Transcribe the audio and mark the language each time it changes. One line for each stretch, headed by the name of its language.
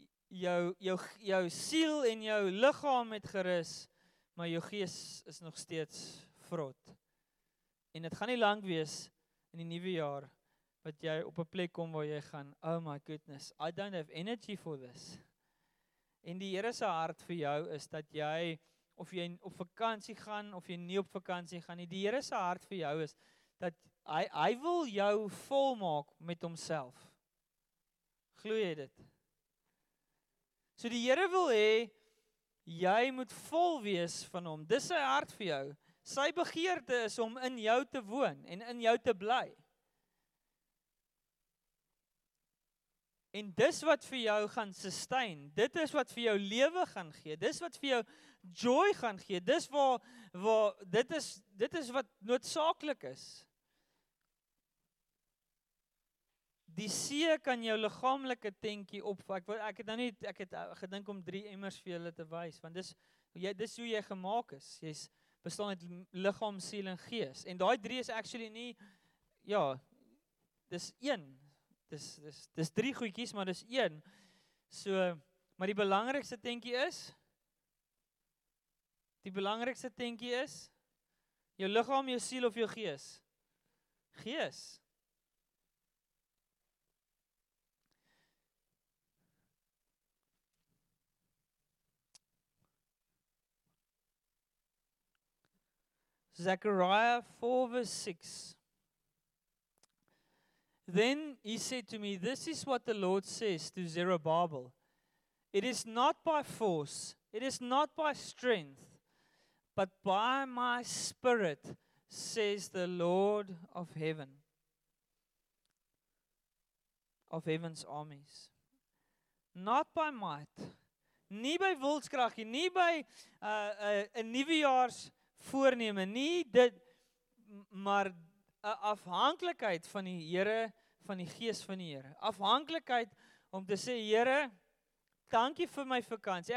Afrikaans: Jou siel en jou liggaam het gerus, maar jou gees is nog steeds vrot. En dit gaan nie lank wees in die nuwe jaar wat jy op 'n plek kom waar jy gaan,
English: oh my goodness, I don't have energy for this.
Afrikaans: En die Here se hart vir jou is dat jy, of jy op vakansie gaan, of jy nie op vakansie gaan nie, die Here se hart vir jou is, dat hy wil jou volmaak met homself. Glo jy dit? So die Here wil hê, jy moet vol wees van hom. Dis sy hart vir jou. Sy begeerte is om in jou te woon, en in jou te bly. En dis wat vir jou gaan sustain. Dit is wat vir jou lewe gaan gee. Dis wat vir jou joy gaan gee. Dis waar dit is wat noodsaaklik is. Die see kan jou liggaamlike tentjie opvou. Ek het gedink om 3 emmers vir julle te wys, want dis hoe jy gemaak is. Jy's bestaan uit liggaam, siel en gees. En daai 3 is actually nie ja, dis 1. Dis 3 goedjies, maar dis 1. So, maar die belangrikste tentjie is jou liggaam, jou siel of jou gees? Gees.
English: Zechariah 4:6. Then he said to me, "This is what the Lord says to Zerubbabel. It is not by force, it is not by strength, but by my spirit, says the Lord of heaven, of heaven's armies. Not by might,
Afrikaans: nie by wilskrag, nie by 'n nuwejaars voorneme, nie dit, maar 'n afhanklikheid van die Here, van die gees van die Here. Afhanklikheid om te sê, Here, dankie vir my vakansie.